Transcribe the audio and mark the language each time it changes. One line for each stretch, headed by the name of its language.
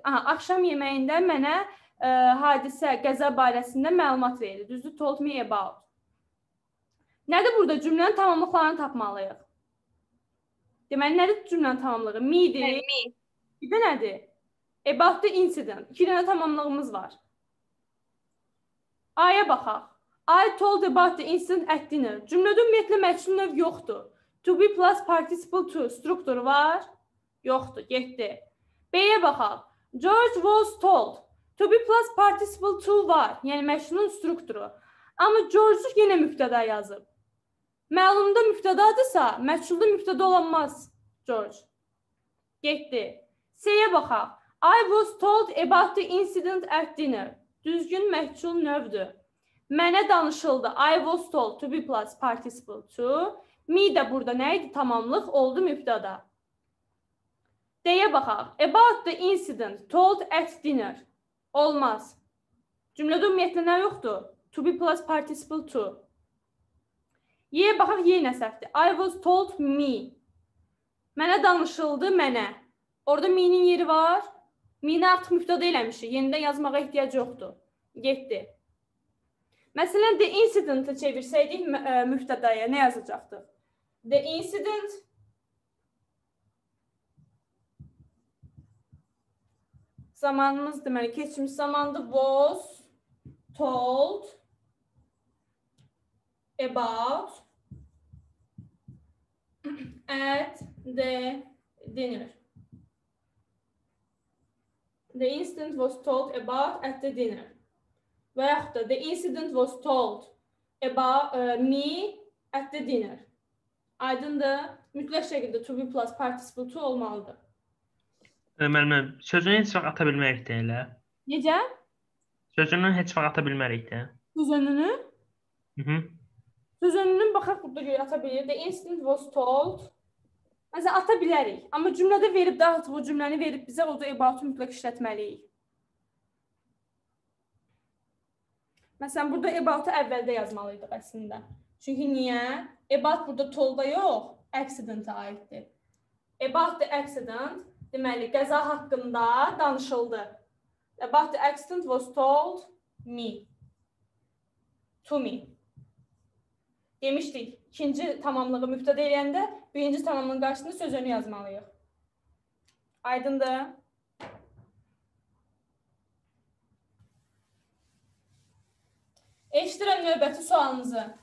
Azerbaijani: axşam yeməyində mənə hadisə, qəza barəsində məlumat verdi. Düzdür,
English: told me about.
Azerbaijani: Nədir burada? Cümlənin tamamlıqlarını tapmalıyıq. Deməli, nədir cümlənin tamamlığı? Me-dir. Me. Bir də nədir?
English: About the incident.
Azerbaijani: İki dənə tamamlığımız var. A-ya baxaq.
English: I told about the incident at dinner.
Azerbaijani: Cümlədə ümumiyyətlə məçhul növ yoxdur.
English: To be plus participle to.
Azerbaijani: Struktur var. Yoxdur. Getdi. B-yə baxaq.
English: George was told. To be plus participle to var.
Azerbaijani: Yəni, məçhulun strukturu. Amma George-u yenə müqtəda yazıb. Məlumda müqtədadırsa, məçhulda müqtəda olanmaz George. Getdi. C-yə baxaq.
English: I was told about the incident at dinner.
Azerbaijani: Düzgün məçhul növdür. Mənə danışıldı,
English: I was told to be plus participle to.
Azerbaijani: Me də burada nə idi? Tamamlıq oldu müftada. Deyə baxaq.
English: About the incident told at dinner.
Azerbaijani: Olmaz. Cümlədə ümumiyyətlə nə yoxdur?
English: To be plus participle to.
Azerbaijani: Yeyə baxaq, yey nə səhvdir?
English: I was told me.
Azerbaijani: Mənə danışıldı, mənə. Orada me-nin yeri var. Me-ni artıq mübtəda eləmişik. Yenidən yazmağa ehtiyac yoxdur. Getdi. Məsələn, the incident-ı çevirsəydik mübtədaya nə yazacaqdı?
English: The incident
Azerbaijani: zamanımız deməli keçmiş zamandır
English: was told about at the dinner. The incident was told about at the dinner.
Azerbaijani: Və yaxud da
English: the incident was told about me at the dinner.
Azerbaijani: Aydındır. Mütləq şəkildə to be plus participle to olmalıdır. Müəllimə, sözünü heç vaxt ata bilmərik də elə. Necə? Sözünü heç vaxt ata bilmərik də. Söz önünü? Hı-hı. Söz önünü baxaq burada görə ata bilir.
English: The incident was told.
Azerbaijani: Məsələn, ata bilərik. Amma cümlədə verib, daha bu cümləni verib bizə o da about-u mütləq işlətməliyik. Məsələn, burada about-u əvvəldə yazmalıydıq əslində. Çünki niyə? About burada told-a yox, accident-a aiddir.
English: About the accident,
Azerbaijani: deməli, qəza haqqında danışıldı.
English: About the accident was told me. To me.
Azerbaijani: Demişdik, ikinci tamamlığı mübtədə eləyəndə, birinci tamamlığın qarşısında söz önü yazmalıyıq. Aydındır. Eşidirəm növbəti sualınızı.